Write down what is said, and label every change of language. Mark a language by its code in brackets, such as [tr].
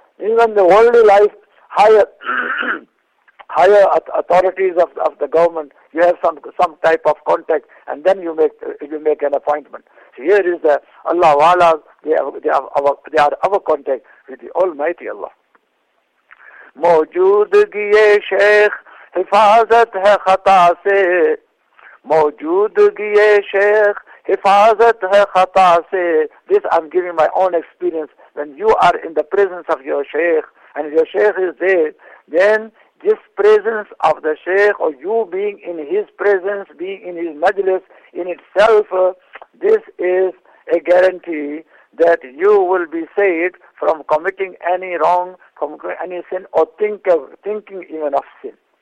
[en] Even the worldly life, higher authorities of the government, you have some type of contact, and then you make an appointment. So here is the Allah Wala, they are our contact with the Almighty Allah. [hi] मौजूदगी शेख हिफाजत है खता से. मौजूदगी शेख हिफाजत है खता से. [en] This I am giving my own experience. When you are in the presence of your शेख and your शेख is then this presence of the Shaykh, or you being in his presence, being in his majlis in itself, this is a guarantee that you will be saved from committing any wrong, from any sin, or thinking even of sin.